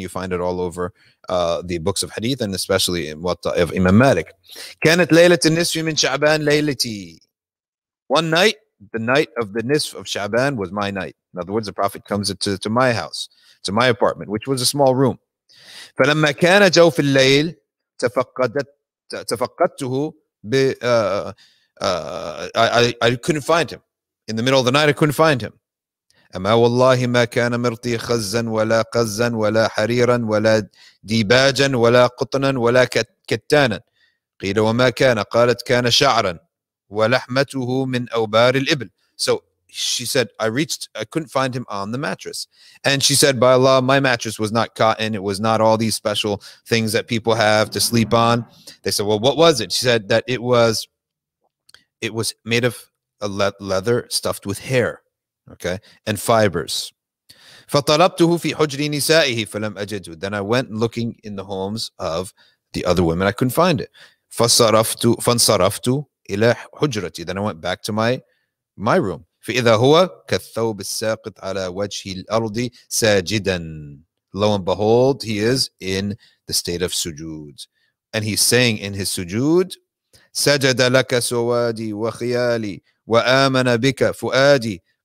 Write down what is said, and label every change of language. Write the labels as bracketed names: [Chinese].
[English] You find it all over the books of Hadith and especially in Muwatta of Imam Malik. [Arabic] Kanat laylatun nisf min sha'ban laylati. [English] One night, the night of the nisf of Sha'ban was my night. In other words, the Prophet comes to my house, to my apartment, which was a small room. [Arabic] فلما كان جو في الليل تفقدته ب [English] I couldn't find him. In the middle of the night, I couldn't find him. [Arabic] أما والله ما كان مرتي خزا ولا قزا ولا حريرا ولا ديباجا ولا قطنا ولا كتانا. قيل وما كان قالت كان شعرا ولحمته من أوبار الإبل. [English] So she said, I couldn't find him on the mattress. And she said, by Allah, my mattress was not cotton. It was not all these special things that people have to sleep on. They said, well, what was it? She said that it was made of a leather stuffed with hair, okay, and fibers. [Arabic] فطلبته في حجر نسائه فلم أجده. [English] Then I went looking in the homes of the other women. I couldn't find it. [Arabic] فانصرفت إلى حجرتي. [English] Then I went back to my room. [Arabic] فإذا هو كالثوب الساقط على وجه الأرض ساجدا. [English] Lo and behold, he is in the state of sujood. And he's saying in his sujood, [Arabic] سجد لك سوادي وخيالي وآمن بك فؤادي.